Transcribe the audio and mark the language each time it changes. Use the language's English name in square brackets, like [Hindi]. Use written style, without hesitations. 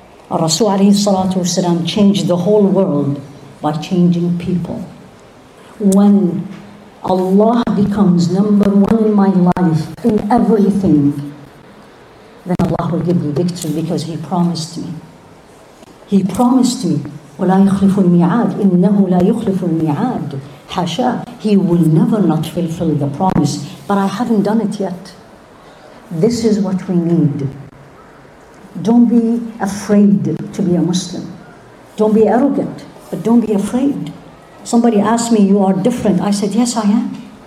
[English] Rasul alayhi salatu wasalam changed the whole world by changing people. When Allah becomes number one in my life, in everything, then Allah will give me victory because He promised me. He promised me, [Arabic] وَلَا يُخْلِفُ الْمِعَادِ إِنَّهُ لَا يُخْلِفُ الْمِعَادِ حَشَى. [English] He will never not fulfill the promise. But I haven't done it yet. This is what we need. Don't be afraid to be a Muslim. Don't be arrogant, but don't be afraid. Somebody asked me, you are different. I said, yes, I am.